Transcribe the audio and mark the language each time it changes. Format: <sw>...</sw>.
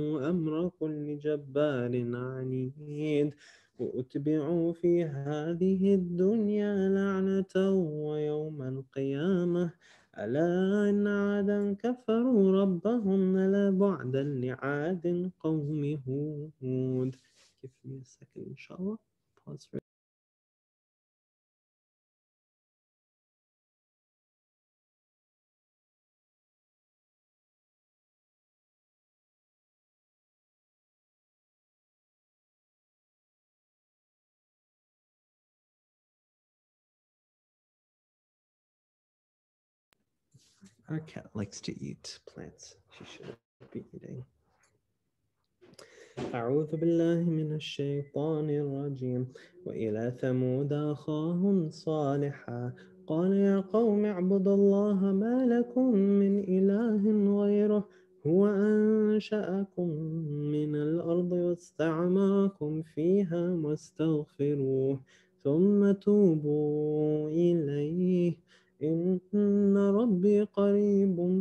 <ar>أمر كل جبار عنيد وأتبعوا في هذه الدنيا لعنة ويوم القيامة ألا إن عادا كفروا ربهم ألا بعدا لعاد قوم هود</ar> <en>Give me a second, inshallah. Pause for Our cat likes to eat plants. She should be eating.</en> <ar>أعوذ بالله من الشيطان الرجيم وإلى ثمود أخاهم صالحا قال يا قوم اعبدوا الله ما لكم من إله غيره هو أنشأكم من الأرض واستعمركم فيها واستغفروه ثم توبوا إليه إن ربي قريب</ar>